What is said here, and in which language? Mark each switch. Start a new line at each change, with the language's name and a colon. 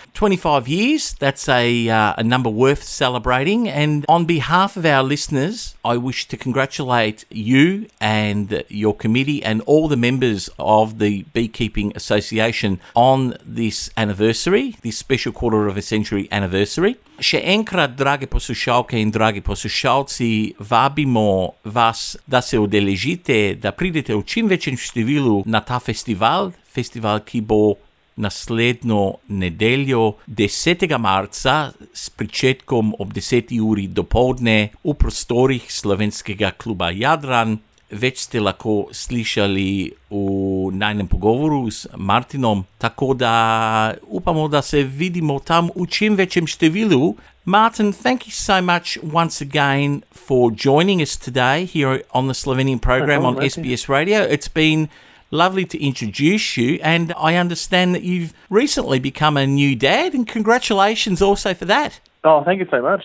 English: 25 years, that's a number worth celebrating. And on behalf of our listeners, I wish to congratulate you and your committee and all the members of the Beekeeping Association on this anniversary, this special quarter of a century anniversary.
Slovenian: Še enkrat, drage poslušalke in dragi poslušalci, vabimo vas, da se udeležite, da pridete v čim večjem številu na ta festival, ki bo naslednjo nedeljo 10. marca s pričetkom ob 10. uri dopoldne v prostorih slovenskega kluba Jadran. Već ste lako slišali u najnem pogovoru s Martinom, tako da upamo da se vidimo tam u čim većem številu.
English: Martin, thank you so much once again for joining us today here on the Slovenian program on SBS Radio. It's been lovely to introduce you, and I understand that you've recently become a new dad, and congratulations also for that. Oh, thank you so much.